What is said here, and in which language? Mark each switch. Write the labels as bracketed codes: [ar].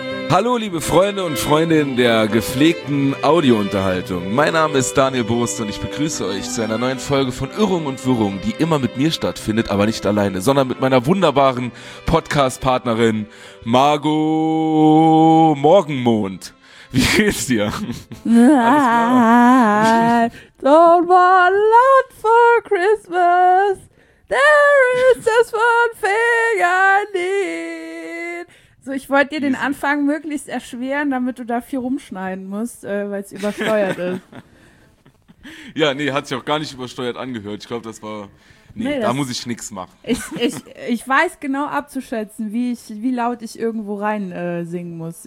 [de] Hallo liebe Freunde und Freundinnen der gepflegten Audiounterhaltung. Mein Name ist Daniel Boost und ich begrüße euch zu einer neuen Folge von Irrung und Wirrung, die immer mit mir stattfindet, aber nicht alleine, sondern mit meiner wunderbaren Podcast-Partnerin Margot Morgenmond. Wie geht's dir? Alles klar? [en] Don't want a lot for Christmas. There is just one thing I need. [de] So, ich wollte dir den Anfang möglichst erschweren, damit du da viel rumschneiden musst, weil es übersteuert ist. Ja, nee, hat sich auch gar nicht übersteuert angehört. Ich glaube, das war, nee, da muss ich nichts machen. Ich weiß genau abzuschätzen, wie laut ich irgendwo rein singen muss.